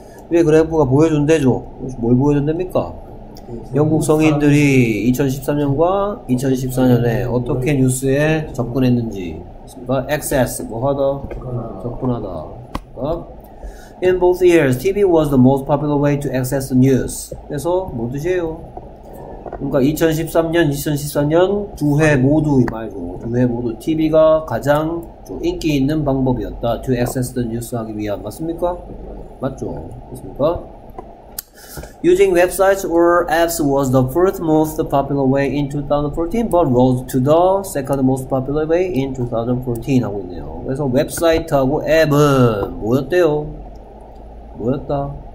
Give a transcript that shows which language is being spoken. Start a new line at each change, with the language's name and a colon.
Korean: 위에 그래프가 보여준대죠. 뭘 보여준답니까? 영국 성인들이 2013년과 2014년에 어떻게 뉴스에 접근했는지. Access, 뭐 하다? 접근하다. 그러니까
English: in both years, TV was the most popular way to access the news.
Korean: 그래서 뭔 뜻이에요? 그러니까 2013년, 2014년 두 해 모두 이 말고 두 해 모두 TV가 가장 인기 있는 방법이었다.
English: To access the news
Korean: 하기 위한 맞습니까? 맞죠. 그렇습니까?
English: Using websites or apps was the first most popular way in 2014, but rose to the second most popular way in 2014
Korean: 하고 있네요. 그래서 웹사이트하고 앱은 뭐였대요? 뭐였다?